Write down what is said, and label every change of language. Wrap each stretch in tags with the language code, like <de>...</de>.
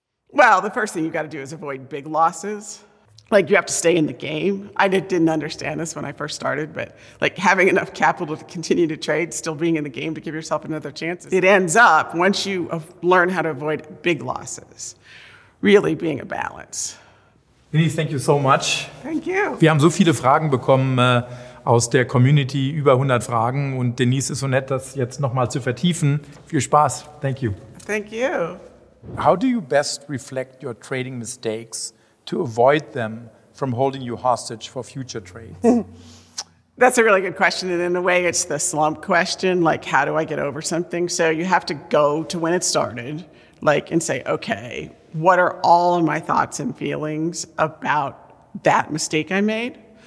<en>Well, the first thing you got to do is avoid big losses. Like, you have to stay in the game. I didn't understand this when I first started, but like having enough capital to continue to trade, still being in the game to give yourself another chance. It ends up, once you learn how to avoid big losses, really being a balance. Denise, thank you so much. Thank you.</en> <de>Wir haben so viele Fragen bekommen aus der Community, über 100 Fragen. Und Denise ist so nett, das jetzt nochmal zu vertiefen. Viel Spaß.</de> <en>Thank you. Thank you. How do you best reflect your trading mistakes to avoid them from holding you hostage for future trades? That's a really good question. And in a way, it's the slump question, like, how do I get over something? So you have to go to when it started, like, and say, okay, what are all of my thoughts and feelings about that mistake I made?</en>